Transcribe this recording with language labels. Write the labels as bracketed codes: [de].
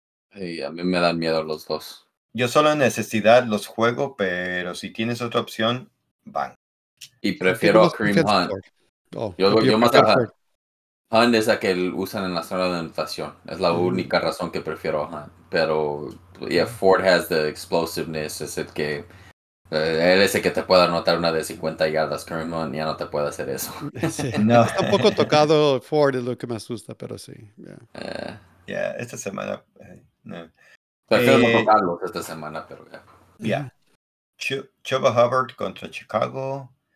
[es] Hey, a mí me dan miedo los dos. Yo solo en necesidad los juego, pero si tienes otra opción, van. Y prefiero a Kareem Hunt. Yo más a Hunt. Hunt es la que usan en la zona de anotación. Es la única razón que prefiero a Hunt. [en] Pero yeah, Ford has the explosiveness. [es] Es el que... él es el que te puede anotar una de 50 yardas. Kareem Hunt ya no te puede hacer eso. Sí. No. Está un poco tocado Ford, es lo que me asusta, pero sí. Yeah, esta semana... Prefiero tocarlos esta semana, pero ya. Yeah. Chuba Hubbard contra Chicago.